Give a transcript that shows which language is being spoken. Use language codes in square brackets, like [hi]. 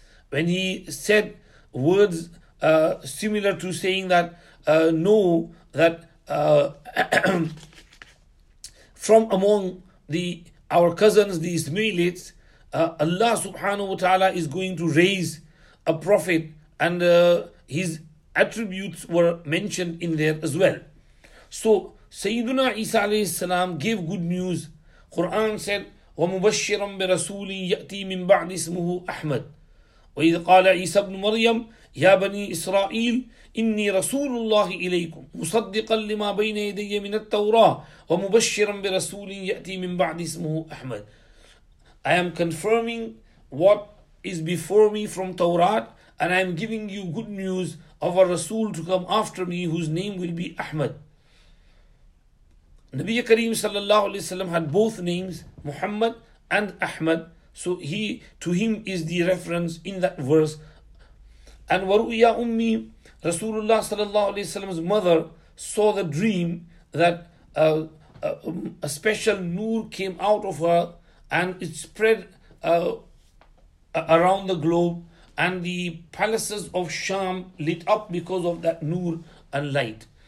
[en] When he said words similar to saying that, know that from among our cousins, the Ismailites, Allah subhanahu wa ta'ala is going to raise a prophet, and his attributes were mentioned in there as well. So Sayyiduna Isa alayhi salam gave good news. Quran said, [ar] وَمُبَشِّرًا بِرَسُولٍ يَأْتِي مِن بَعْدِ اسْمُهُ أَحْمَدٍ. وَإِذْ قَالَ عِيسَى بْنُ مَرْيَمْ يَا بَنِي إِسْرَائِيلِ إِنِّي رَسُولُ اللَّهِ إِلَيْكُمْ مُصَدِّقًا لِمَا بَيْنَ يَدَيَّ مِنَ التَّوْرَاةِ وَمُبَشِّرًا بِرَسُولٍ يَأْتِي مِن بَعْدِ اسْمُهُ أَحْمَدٍ. [en] I am confirming what is before me from Tawrat, and I am giving you good news of a Rasul to come after me whose name will be Ahmad. Nabi Kareem sallallahu alayhi wa sallam had both names, Muhammad and Ahmad. So he, to him is the reference in that verse. And Waru'ya Ummi, Rasulullah sallallahu alayhi wa sallam's mother saw the dream that a special nur came out of her and it spread around the globe, and the palaces of Sham lit up because of that nur and light.